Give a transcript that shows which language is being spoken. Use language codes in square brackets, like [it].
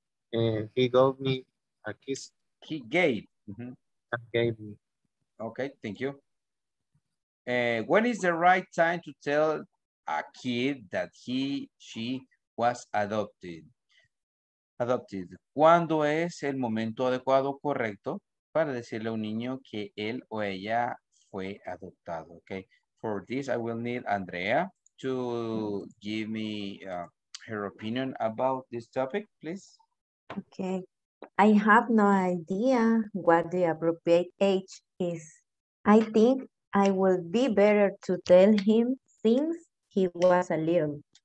[en] He gave me a kiss. He gave. Mm-hmm. Gave me. Okay, thank you. When is the right time to tell a kid that he, she was adopted? Adopted. [es] ¿Cuándo es el momento adecuado, correcto, para decirle a un niño que él o ella fue adoptado? [en] Okay. For this, I will need Andrea to give me her opinion about this topic, please. Okay. I have no idea what the appropriate age is. I think I will be better to tell him since he was a little.